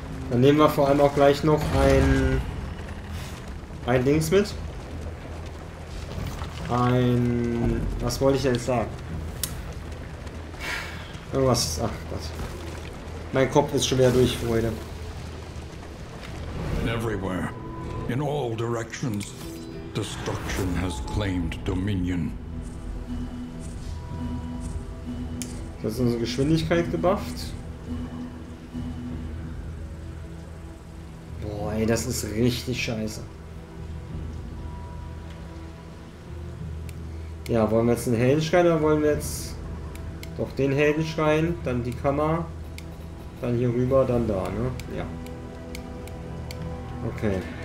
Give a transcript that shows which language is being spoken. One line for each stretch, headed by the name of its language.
German: Dann nehmen wir vor allem auch gleich noch ein Dings mit. Ein. Was wollte ich denn jetzt sagen? Irgendwas. Ach Gott. Mein Kopf ist schon wieder durch, Freude.
English: Everywhere. In all directions. Destruction has claimed dominion.
German: Das ist unsere Geschwindigkeit gebufft. Ey, das ist richtig scheiße. Ja, wollen wir jetzt den Heldenschrein oder wollen wir jetzt doch den Heldenschrein, dann die Kammer, dann hier rüber, dann da, ne? Ja. Okay.